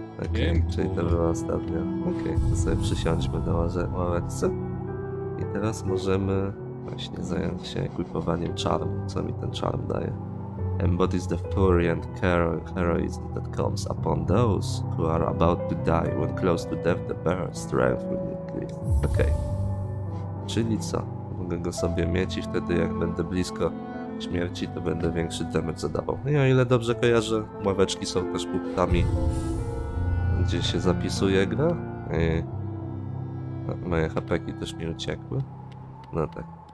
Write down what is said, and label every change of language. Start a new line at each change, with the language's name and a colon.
Polish: Okej, okay, czyli to była ostatnia. Okej, okay, to sobie przysiądźmy do ławeczce. I teraz możemy właśnie zająć się ekwipowaniem charm. Co mi ten charm daje?
English: Embodies the fury and heroism that comes upon those who are about to die. When close to death, the bearer's strength will increase.
Polish: Okej. Okay. Czyli co? Mogę go sobie mieć i wtedy jak będę blisko śmierci, to będę większy damage zadawał. I o ile dobrze kojarzę, ławeczki są też punktami, gdzie się zapisuje gra. I moje HP-ki też mi uciekły. No tak.